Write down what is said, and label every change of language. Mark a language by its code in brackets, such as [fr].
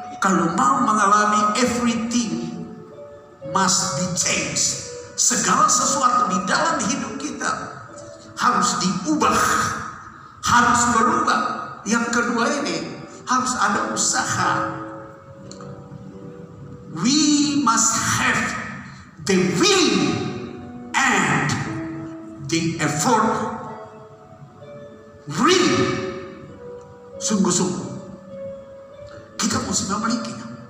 [id] Kalau mau mengalami, [en] everything must be changed. [id] Segala sesuatu di dalam hidup kita harus diubah, harus berubah. Yang kedua ini harus ada usaha. [en] We must have the will and the effort. [id] Really, sungguh-sungguh kita mesti memilikinya.